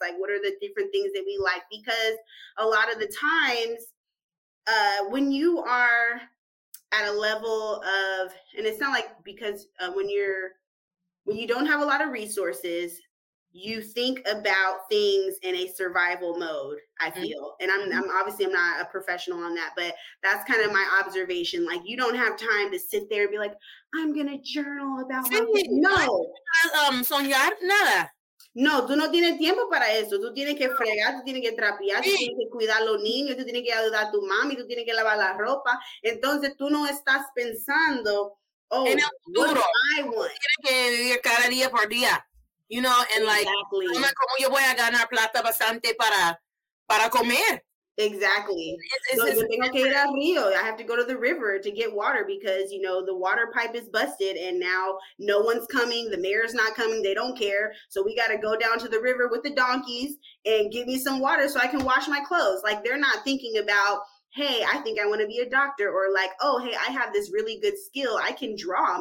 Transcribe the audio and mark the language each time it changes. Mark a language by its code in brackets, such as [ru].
[en] Like what are the different things that we like? Because a lot of the times when you are at a level of, and it's not like, because when you don't have a lot of resources, you think about things in a survival mode, I feel. Mm-hmm. And I'm obviously not a professional on that, but that's kind of my observation. Like, you don't have time to sit there and be like, I'm going to journal about my life. No. [es] Soñar nada. No, tú no tienes tiempo para eso. Tú tienes que fregar, tú tienes que trapear, sí. Tú tienes que cuidar a los niños, tú tienes que ayudar a tu mami, tú tienes que lavar la ropa. Entonces, tú no estás pensando, oh, en el futuro. [en] What do I want? [es] Tú tienes que vivir cada día por día. [en] You know, and exactly. [es] Like, ¿cómo yo voy a ganar plata bastante para comer? [en] Exactly. I have to go to the river to get water because, you know, the water pipe is busted and now no one's coming. The mayor's not coming. They don't care. So we got to go down to the river with the donkeys and give me some water so I can wash my clothes. Like, they're not thinking about, hey, I think I want to be a doctor, or like, oh, hey, I have this really good skill. I can draw.